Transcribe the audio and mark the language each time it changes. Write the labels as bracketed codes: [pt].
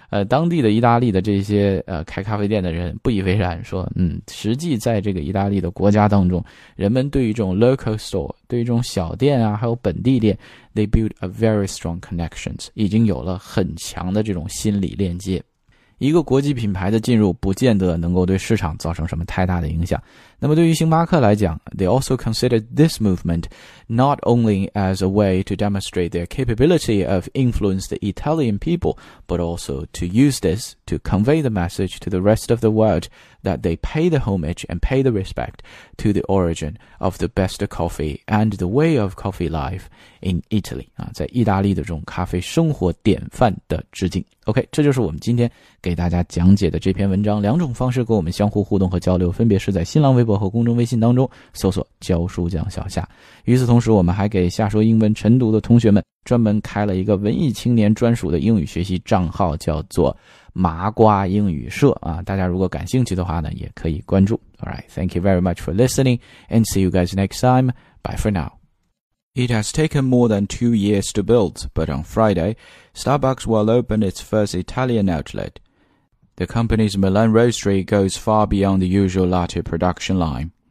[zh] 当地的意大利的这些开咖啡店的人不以为然，说实际在这个意大利的国家当中，人们对于这种 [en] local store, [zh] 对于这种小店啊，还有本地店 , [en] they build a very strong connections, [zh] 已经有了很强的这种心理链接。一个国际品牌的进入不见得能够对市场造成什么太大的影响。那么对于星巴克来讲 [en] ,they also consider this movement not only as a way to demonstrate their capability of influence the Italian people, but also to use this to convey the message to the rest of the world that they pay the homage and pay the respect to the origin of the best coffee and the way of coffee life in Italy. [zh] 啊，在意大利的这种咖啡生活典范的致敬。 OK, 这就是我们今天给大家讲解的这篇文章，两种方式跟我们相互互动和交流，分别是在新浪微博和公众微信当中搜索教书匠小夏。与此同时，我们还给下说英文晨读的同学们专门开了一个文艺青年专属的英语学习账号，叫做麻瓜英语社啊。大家如果感兴趣的话呢，也可以关注。 [en] Alright, thank you very much for listening and see you guys next time. Bye for now. It has taken more than 2 years to build, but on Friday, Starbucks will open its first Italian outlet. The company's Milan Roastery goes far beyond the usual latte production line.